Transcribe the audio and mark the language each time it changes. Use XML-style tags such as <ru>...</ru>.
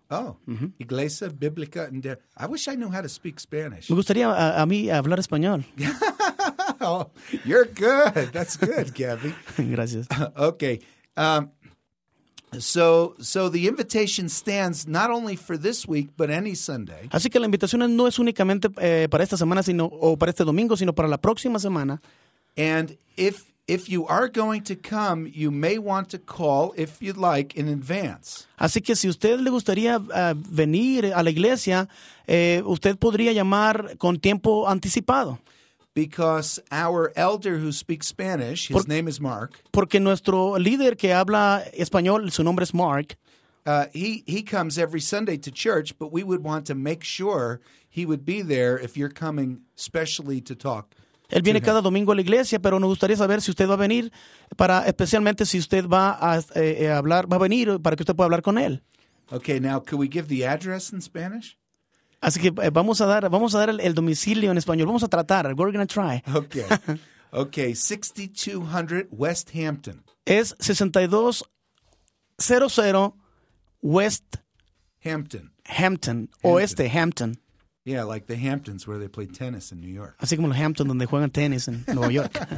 <es>Oh, mm-hmm. Iglesia Biblica in Denver.</es> <en>I wish I knew how to speak Spanish.</en> <es>Me gustaría a mí hablar español.</es> <en>Oh, you're good. That's good, Gabby.</en> <es>Gracias.</es> <en>Okay. So the invitation stands not only for this week, but any Sunday.</en> <es>Así que la invitación no es únicamente para esta semana sino o para este domingo, sino para la próxima semana.</es> <en>And if you are going to come, you may want to call, if you'd like, in advance.</en> <es>Así que si usted le gustaría venir a la iglesia, usted podría llamar con tiempo anticipado.</es> <en>Because our elder who speaks Spanish, his name is Mark.</en> <es>Porque nuestro líder que habla español, su nombre es Mark.</es> <en>He comes every Sunday to church, but we would want to make sure he would be there if you're coming specially to talk.</en> <es>Él viene cada domingo a la iglesia, pero nos gustaría saber si usted va a venir, para especialmente si usted va a hablar, va a venir para que usted pueda hablar con él.</es> <en>Okay, now can we give the address in Spanish?</en> <es>Así que vamos a dar el domicilio en español. Vamos a tratar.</es> <en>We're going to try. Okay. Okay, 6200 West Hampton.</en> <es>Es 6200 West Hampton. Hampton. Oeste, Hampton.</es> <en>Yeah, like the Hamptons where they play tennis in New York.</en> <es>Así como los Hamptons donde juegan tennis en Nueva York.</es>